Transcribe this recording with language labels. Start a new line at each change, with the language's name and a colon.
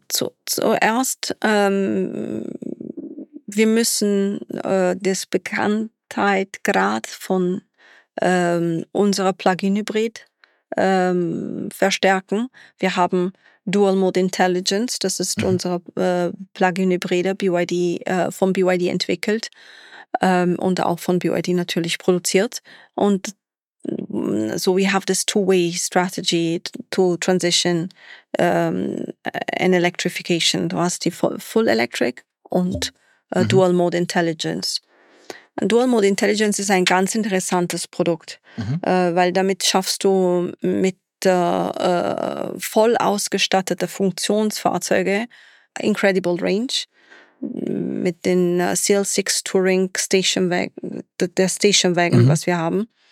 German: Also zuerst, wir müssen das Bekanntheitsgrad von unserer Plug-in-Hybrid verstärken. Wir haben Dual Mode Intelligence, das ist unsere Plug-in-Hybride von BYD entwickelt und auch von BYD natürlich produziert.
English: Und so we have this two-way strategy to transition and electrification.
German: Du hast die Full Electric und Dual Mode Intelligence. Dual Mode Intelligence ist ein ganz interessantes Produkt, weil damit schaffst du mit voll ausgestatteten Funktionsfahrzeugen incredible Range mit den CL6 Touring Station Wagen, was wir haben,